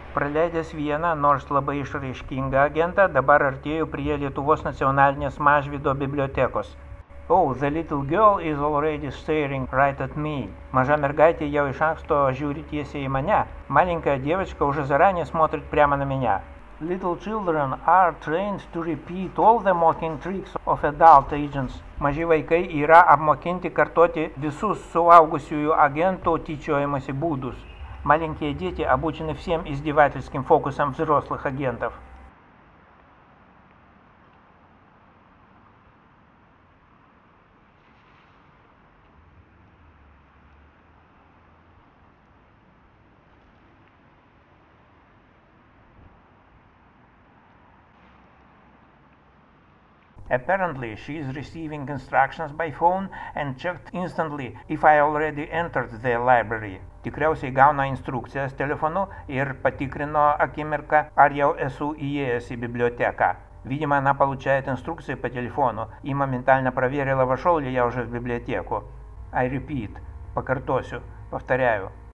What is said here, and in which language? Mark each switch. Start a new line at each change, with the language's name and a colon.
Lithuanian: Praleidęs vieną, nors labai išraiškingą agentą, dabar artėjau prie Lietuvos nacionalinės Mažvydo bibliotekos.
English: Oh, the little girl is already staring right at me.
Lithuanian: Maža mergaitė jau iš anksto žiūri tiesiai į mane.
Russian: Маленькая девочка уже заранее смотрит прямо на меня.
English: Little children are trained to repeat all the mocking tricks of adult agents.
Lithuanian: Maži vaikai yra apmokinti kartoti visus suaugusiųjų агентų tyčiojimosi būdus.
Russian: Маленькие дети обучены всем издевательским фокусам взрослых агентов.
English: Apparently, she is receiving instructions by phone and checked instantly if I already entered the library.
Lithuanian: Tikriausiai gauna instrukcijas telefonu ir patikrino akimirką, ar jau esu įėjęs į biblioteką.
Russian: Видимо, она получает инструкции по телефону и моментально проверила, вошел ли я уже в библиотеку.
English: I repeat.
Lithuanian: Покартосю.
Russian: Повторяю.